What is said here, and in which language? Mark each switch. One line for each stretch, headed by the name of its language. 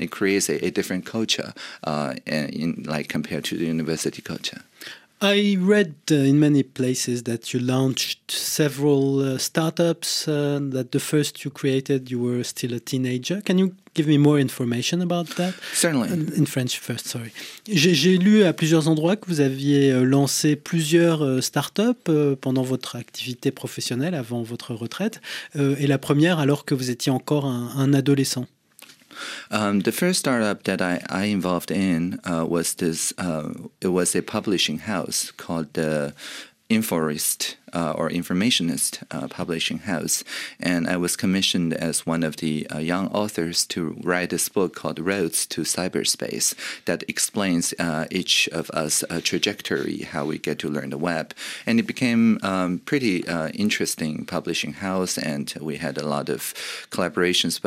English: It creates a different culture, in like compared to the university culture. I read in many places that you launched several startups, that the first you created, you were still a teenager. Can you give me more information about that? Certainly. In French first, sorry.
French: J'ai lu à plusieurs endroits que vous aviez lancé plusieurs startups pendant votre activité professionnelle, avant votre retraite, et la première alors que vous étiez encore un adolescent.
English: The first startup that I involved in was this. It was a publishing house called the Inforest or Informationist Publishing House, and I was commissioned as one of the young authors to write this book called "Roads to Cyberspace" that explains each of us a trajectory, how we get to learn the web, and it became pretty interesting publishing house, and we had a lot of collaborations.